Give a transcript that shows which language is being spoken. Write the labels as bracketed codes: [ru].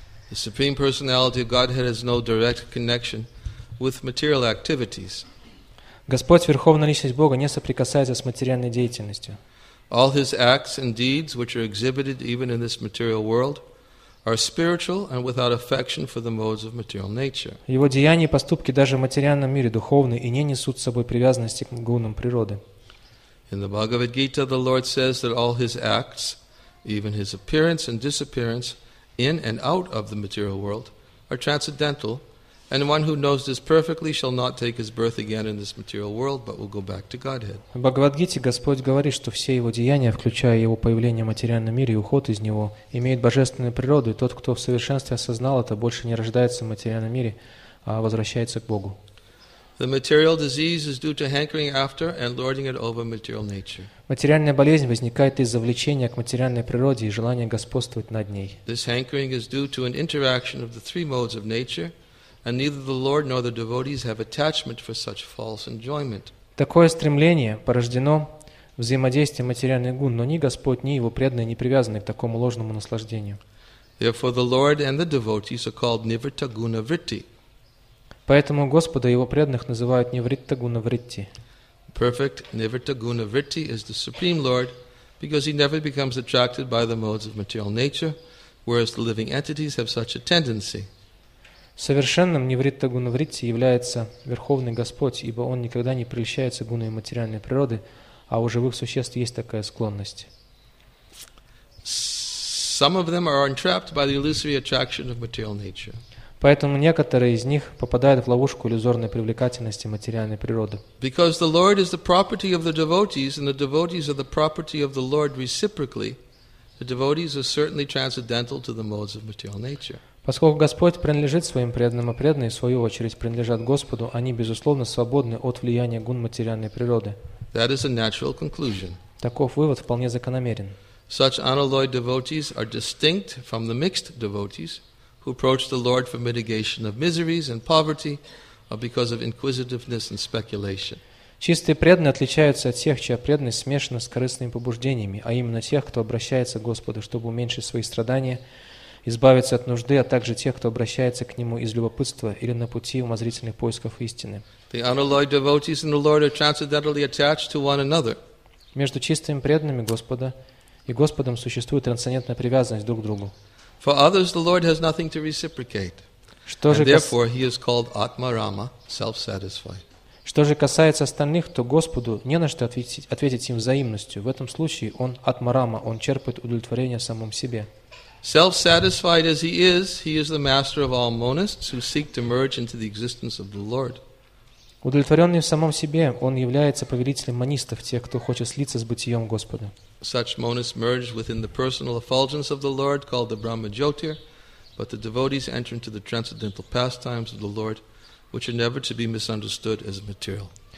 [en] The Supreme Personality of Godhead has no direct connection with material activities. [ru] Господь, Верховная Личность Бога, не соприкасается с материальной деятельностью. [en] All his acts and deeds, which are exhibited even in this material world, are spiritual and without affection for the modes of material nature. [ru] Его деяния и поступки даже в материальном мире духовны и не несут с собой привязанности к гунам природы. [en] In the Bhagavad Gita, the Lord says that all his acts, even his appearance and disappearance in and out of the material world, are transcendental, and one who knows this perfectly shall not take his birth again in this material world, but will go back to Godhead. [ru] В Бхагавад-гите Господь говорит, что все его деяния, включая его появление в материальном мире и уход из него, имеют божественную природу, и тот, кто в совершенстве осознал это, больше не рождается в материальном мире, а возвращается к Богу. [en] The material disease is due to hankering after and lording it over material nature. [ru] Материальная болезнь возникает из-за влечения к материальной природе и желания господствовать над ней. [en] This hankering is due to an interaction of the three modes of nature, and neither the Lord nor the devotees have attachment for such false enjoyment. [ru] Такое стремление порождено взаимодействием материальных гун, но ни Господь, ни его преданные не привязаны к такому ложному наслаждению. [en] Therefore, the Lord and the devotees are called nivritta guna vritti. [ru] Поэтому Господа и его преданных называют nivritta guna vritti. [en] Perfect nivritta guna vritti is the supreme Lord, because he never becomes attracted by the modes of material nature, whereas the living entities have such a tendency. [ru] Совершенным nivritta guna vritti является Верховный Господь, ибо он никогда не прельщается гунами материальной природы, а у живых существ есть такая склонность. [en] Some of them are entrapped by the illusory attraction of material nature. [ru] Поэтому некоторые из них попадают в ловушку иллюзорной привлекательности материальной природы. [en] Because the Lord is the property of the devotees, and the devotees are the property of the Lord reciprocally, the devotees are certainly transcendental to the modes of material nature. [ru] Поскольку Господь принадлежит своим преданным, а преданные, в свою очередь, принадлежат Господу, они, безусловно, свободны от влияния гун материальной природы. [en] That is a natural conclusion. [ru] Таков вывод вполне закономерен. [en] Such unalloyed devotees are distinct from the mixed devotees, who approach the Lord for mitigation of miseries and poverty, or because of inquisitiveness and speculation. [ru] Чистые преданные отличаются от тех, чья преданность смешана с корыстными побуждениями, а именно тех, кто обращается к Господу, чтобы уменьшить свои страдания, избавиться от нужды, а также тех, кто обращается к Нему из любопытства или на пути умозрительных поисков истины. [en] The unalloyed devotees and the Lord are transcendentally attached to one another. [ru] Между чистыми преданными Господа и Господом существует трансцендентная привязанность друг к другу. [en] For others, the Lord has nothing to reciprocate. [ru] Что же [en] and therefore, He is called Atmarama, self-satisfied. [ru] Что же касается остальных, то Господу не на что ответить им взаимностью. В этом случае он Атмарама, он черпает удовлетворение в самом себе. [en] Self-satisfied as he is the master of all monists who seek to merge into the existence of the Lord. [ru] Удовлетворенный в самом себе, он является повелителем монистов, тех, кто хочет слиться с бытием Господа. [en] Such monists merge within the personal effulgence of the Lord called the Brahma Jyotir, but the devotees enter into the transcendental pastimes of the Lord, which are never to be misunderstood as material.